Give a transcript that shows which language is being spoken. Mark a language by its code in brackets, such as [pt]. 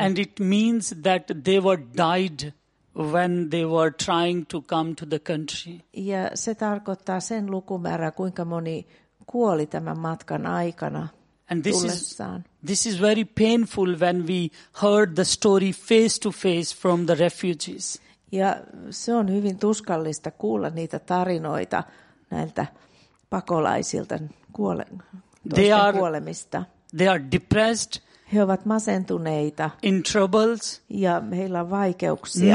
[en] And it means that they were died when they were trying to come to the country. [fi] Ja se tarkoittaa sen lukumäärä, kuinka moni kuoli tämän matkan aikana tullessaan. [en] And this is very painful when we heard the story face to face from the refugees. [fi] Ja se on hyvin tuskallista kuulla niitä tarinoita näiltä pakolaisilta kuolemista. [en] They are depressed. [fi] He ovat masentuneita. [en] In troubles. [fi] Ja heillä on vaikeuksia.